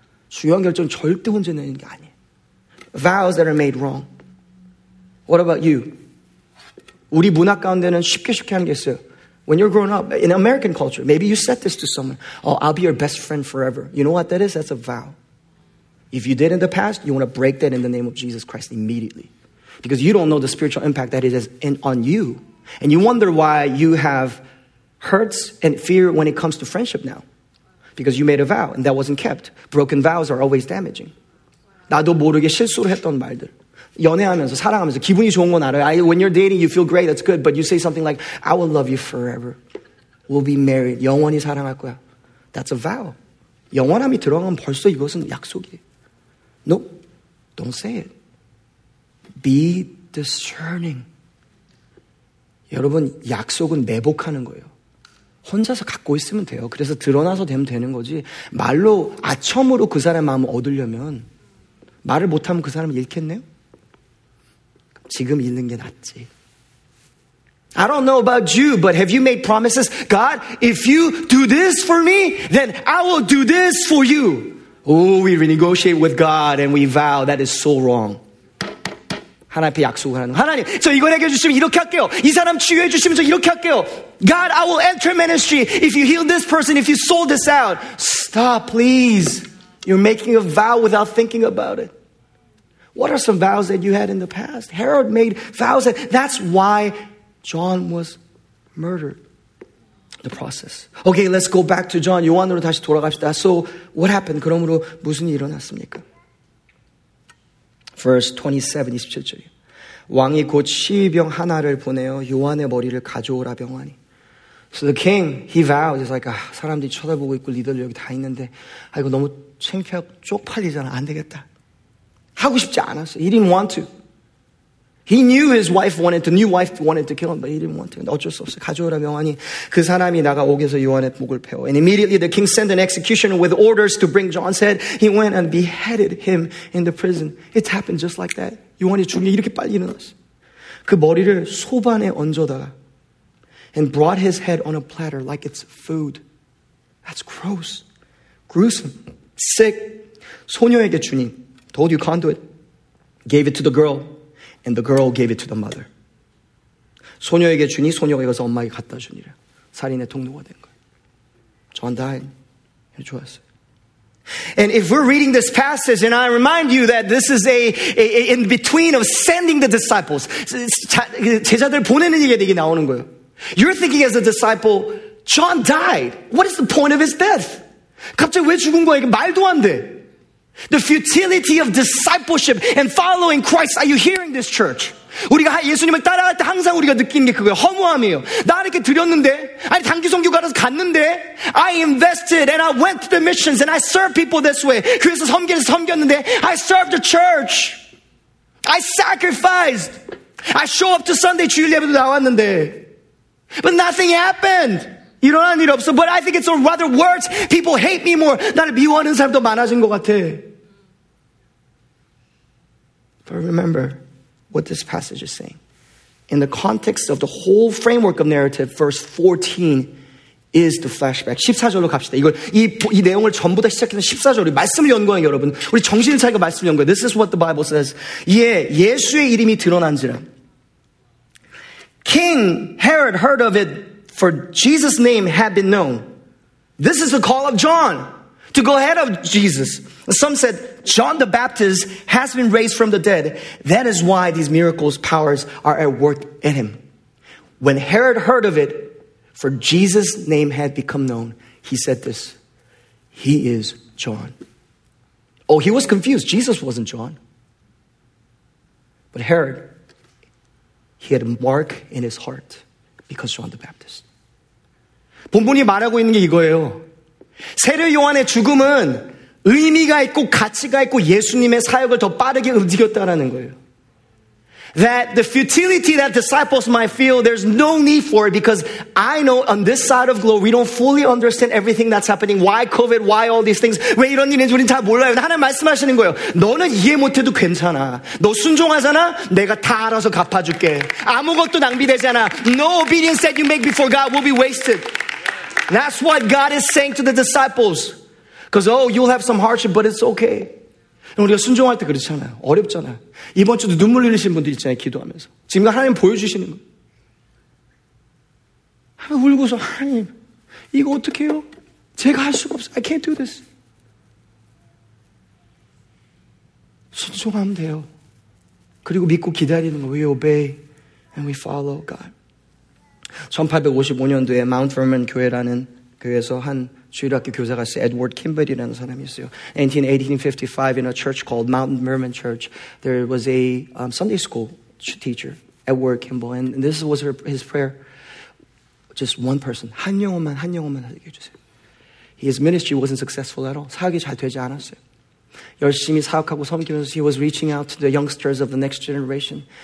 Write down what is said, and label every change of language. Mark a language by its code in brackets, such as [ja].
[ko] 중요한 결정 절대 혼자 내는 게 아니에요. [en] Vows that are made wrong. What about you? [ko] 우리 문화 가운데는 쉽게 하는 게 있어요. [en] When you're growing up, in American culture, maybe you said this to someone. Oh, I'll be your best friend forever. You know what that is? That's a vow. If you did in the past, you want to break that in the name of Jesus Christ immediately. Because you don't know the spiritual impact that it has on you. And you wonder why you have hurts and fear when it comes to friendship now. Because you made a vow and that wasn't kept. Broken vows are always damaging. [ko] 나도 모르게 실수를 했던 말들. 연애하면서 사랑하면서 기분이 좋은 건 알아요. [en] When you're dating, you feel great. That's good. But you say something like, I will love you forever. We'll be married. [ko] 영원히 사랑할 거야. [en] That's a vow. [ko] 영원함이 들어가면 벌써 이것은 약속이에요. [en] Nope. Don't say it. Be discerning. [ko] 여러분, 약속은 매복하는 거예요. 혼자서 갖고 있으면 돼요. 그래서 드러나서 되면 되는 거지. 말로 아첨으로 그 사람의 마음을 얻으려면 말을 못하면 그 사람을 잃겠네요. 지금 잃는 게 낫지. [en] I don't know about you, but have you made promises? God, if you do this for me, then I will do this for you. Oh, we renegotiate with God and we vow. That is so wrong. [ko] 하나님 앞에 약속을 하는 거. 하나님, 저 이걸 해결해 주시면 이렇게 할게요. 이 사람 치유해 주시면 저 이렇게 할게요. [en] God, I will enter ministry if you heal this person, if you sold this out. Stop, please. You're making a vow without thinking about it. What are some vows that you had in the past? Herod made vows. That's why John was murdered. The process. Okay, let's go back to John. [ko] 요한으로 다시 돌아갑시다. [en] So what happened? [ko] 그러므로 무슨 일이 일어났습니까? [en] Verse 27, 27절. [ko] 왕이 곧 시위병 하나를 보내어 요한의 머리를 가져오라 명하니. [en] So the king, he vowed, he's like, [ko] 아, 사람들이 쳐다보고 있고 리더들 여기 다 있는데, 아이고, 너무 창피하고 쪽팔리잖아. 안 되겠다. 하고 싶지 않았어. [en] He didn't want to. He knew his wife wanted to, new wife wanted to kill him, but he didn't want to. [ko] 근데 어쩔 수 없어. 가져오라 명하니. 그 사람이 나가 옥에서 요한의 목을 베어. [en] And immediately the king sent an executioner with orders to bring John's head. He went and beheaded him in the prison. It happened just like that. [ko] 요한이 죽는 이렇게 빨리 일어났어. 그 머리를 소반에 얹어다가. [en] And brought his head on a platter like it's food. That's gross. Gruesome. Sick. [ko] 소녀에게 주니. [en] Told you conduit. Gave it to the girl. And the girl gave it to the mother. [ko] 소녀에게 주니 소녀가 이것을 엄마에게 갖다 주니라. 살인의 동료가 된 거예요. [en] John died. [ko] 좋았어요. [en] And if we're reading this passage, and I remind you that this is a in between of sending the disciples. [ko] 제자들 보내는 얘기가 나오는 거예요. [en] You're thinking as a disciple, John died. What is the point of his death? [ko] 갑자기 왜 죽은 거야? 이게 말도 안 돼. [en] The futility of discipleship and following Christ. Are you hearing this, church? [ko] 우리가 예수님을 따라갈 때 항상 우리가 느끼는 게 그거예요. 허무함이에요. 나 이렇게 드렸는데, 아니 단기 선교 가서 갔는데, [en] I invested and I went to the missions and I served people this way. [ko] 그래서 섬기는 섬겼는데, [en] I served the church. I sacrificed. I show up to Sunday [ko] 주일 예배도 나왔는데 [en] but nothing happened. [ko] 일어난 일 없어. [en] But I think it's a rather worse. People hate me more. [ko] 나를 미워하는 사람도 많아진 것 같아. [en] But remember what this passage is saying. In the context of the whole framework of narrative, verse 14 is the flashback. [ko] 14절로 갑시다. 이걸 이 내용을 전부 다 시작해서 14절 우리 말씀을 연구하는 여러분. 우리 정신을 차리고 말씀을 연구해. [en] This is what the Bible says. [ko] 예, 예수의 이름이 드러난지라. [en] King Herod heard of it, for Jesus' name had been known. This is the call of John to go ahead of Jesus. Some said, John the Baptist has been raised from the dead. That is why these miracles, powers are at work in him. When Herod heard of it, for Jesus' name had become known, he said this, he is John. Oh, he was confused. Jesus wasn't John. But Herod, he had a mark in his heart because John the Baptist. [ko] 본문이 말하고 있는 게 이거예요. 세례 요한의 죽음은 의미가 있고 가치가 있고 예수님의 사역을 더 빠르게 움직였다라는 거예요. [en] That the futility that disciples might feel, there's no need for it because I know on this side of glory, we don't fully understand everything that's happening. Why COVID? Why all these things? [ko] 왜 이런 일이 있는지 우린 잘 몰라요. 하나님 말씀하시는 거예요. 너는 이해 못해도 괜찮아. 너 순종하잖아? 내가 다 알아서 갚아줄게. 아무것도 낭비되지 않아. [en] No obedience that you make before God will be wasted. That's what God is saying to the disciples. Because, oh, you'll have some hardship, but it's okay. [ko] 우리가 순종할 때 그렇잖아. 어렵잖아. 이번 주도 눈물 흘리신 분들 있잖아요. 기도하면서. 지금 하나님 보여주시는 거. 하나님 울고서, 하나님, 이거 어떡해요? 제가 할 수가 없어. [en] I can't do this. [ko] 순종하면 돼요. 그리고 믿고 기다리는 거. [en] We obey and we follow God. [ko] 1855년도에 Mount Vernon 교회라는 교회에서 한 주일학교 교사가 있어요. Edward Kimball이라는 사람이 있어요. [en] 1855 in a church called Mount Vernon Church, there was a Sunday school teacher, Edward Kimball, and this was his prayer. Just one person. [ko] 한 영혼만, 한 영혼만 하게 해주세요. [en] His ministry wasn't successful at all. [ko] 사역이 잘 되지 않았어요. 열심히 사역하고 섬기면서 [en] he was reaching out to the youngsters of the next generation.